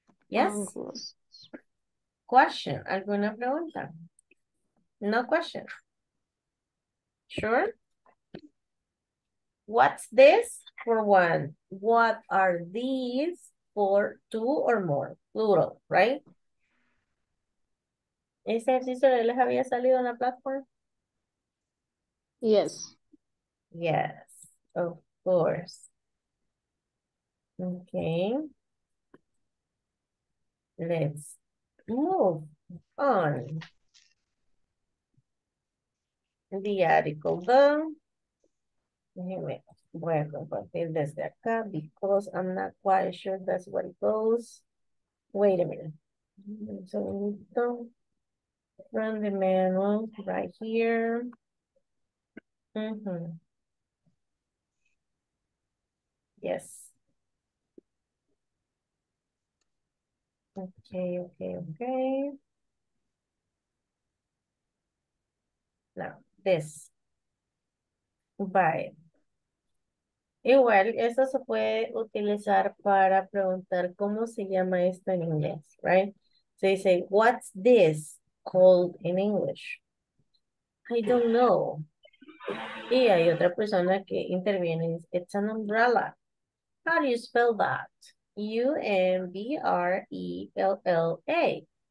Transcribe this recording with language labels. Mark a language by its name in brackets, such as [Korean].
[English] Yes? Question. [Spanish] ¿Alguna pregunta? [English] No question. Sure? What's this? For one, what are these for two or more? Plural, right? [Spanish] ¿Ese ejercicio les había salido en la platform? [English] Yes. Yes, of course. Okay. Let's move on. The article, though. [Spanish] Bueno, partir desde acá, [English] because I'm not quite sure that's where it goes. Wait a minute. [Spanish] Un segundito. [English] From the manual, right here. Mm-hmm. Yes. Okay, okay, okay. Now, this. Bye. [Spanish] Igual, esto se puede utilizar para preguntar cómo se llama esto en inglés, [English] right? So you say, what's this called in English? I don't know. [Spanish] Y hay otra persona que interviene. [English] It's an umbrella. How do you spell that? U-M-B-R-E-L-L-A.